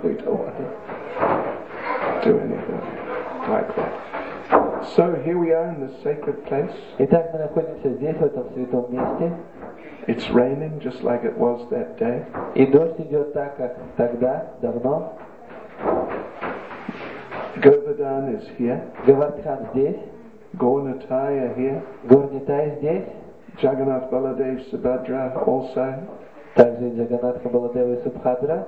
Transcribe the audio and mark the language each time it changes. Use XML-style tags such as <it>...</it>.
<en>We don't want to do anything like that. So here we are in this sacred place.</en> <ru>Итак, мы находимся здесь, в этом святом месте.</ru> <en>It's raining just like it was that day.</en> <ru>И дождь идет так, как тогда, давно.</ru> <en>Govardhan is here.</en> <ru>Govardhan здесь.</ru> <en>Gornitai are here.</en> <ru>Gornitai здесь.</ru> <en>Jagannath Baladev Subhadra also.</en> <ru>Также Джаганатха Баладева и Субхадра.</ru>